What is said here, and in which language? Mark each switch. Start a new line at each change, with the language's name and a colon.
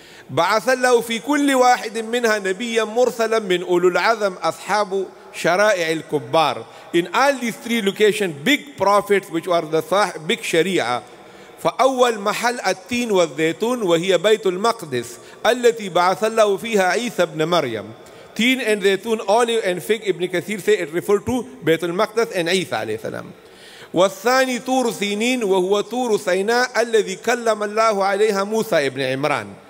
Arabic: بعث الله في كل واحد منها نبيا مرسلا من أولو العظم أصحاب شرائع الكبار.
English: In all these three locations, big prophets which were the صاحب, big sharia.
Arabic: فأول محل التين والزيتون وهي بيت المقدس التي بعث الله فيها عيسى بن مريم.
English: تين and زيتون, olive and fig, ابن كثير say it refer to بيت المقدس and عيسى عليه السلام.
Arabic: والثاني تور سينين وهو تور سيناء الذي كلم الله عليها موسى ابن عمران.